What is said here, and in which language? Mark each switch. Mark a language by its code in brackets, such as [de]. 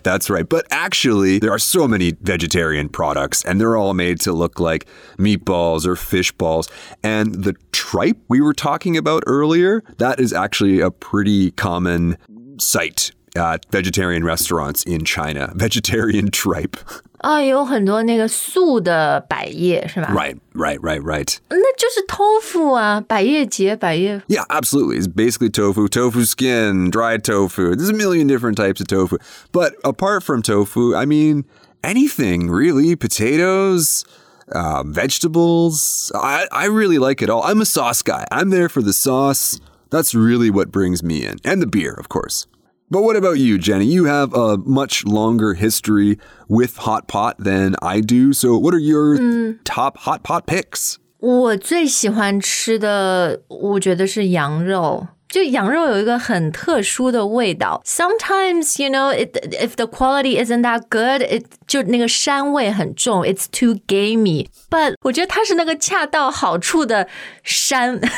[en] But actually, there are so many vegetarian products, and they're all made to look like meatballs or fish balls. And the tripe we were talking about earlier, that is actually a pretty common sight at vegetarian restaurants in China. Vegetarian tripe. [zh] 啊，有很多那个素的百叶是吧 [en] ？Right. [zh] 那就是 tofu 啊，百叶结，百叶。 [en] Yeah, absolutely. It's basically tofu, tofu skin, dried tofu. There's a million different types of tofu. But apart from tofu, I mean, anything really, potatoes, vegetables. I really like it all. I'm a sauce guy. I'm there for the sauce. That's really what brings me in, and the beer, of course. But what about you, Jenny? You have a much longer history with hot pot than I do. So what are your top hot pot picks? [zh] 我最喜欢吃的我觉得是羊肉。就羊肉有一个很特殊的味道。 [en] Sometimes, you know, if the quality isn't that good, [zh] 就那个膻味很重。 [en] It's too gamey. [zh] But 我觉得它是那个恰到好处的膻。